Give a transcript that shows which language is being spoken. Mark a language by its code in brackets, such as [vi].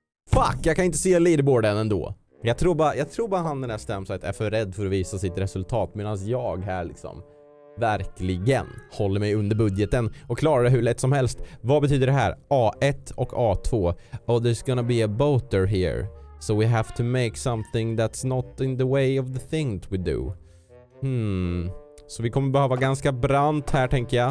[sv] Fuck, jag kan inte se leaderboarden ändå. Jag tror bara han, den här Stamsite, är för rädd för att visa sitt resultat. Medan jag här liksom... Verkligen håller mig under budgeten. Och klarar det hur lätt som helst. Vad betyder det här? A1 och A2. [en] Oh, there's gonna be a boater here. So we have to make something that's not in the way of the thing that we do. [sv] Så vi kommer behöva ganska brant här, tänker jag.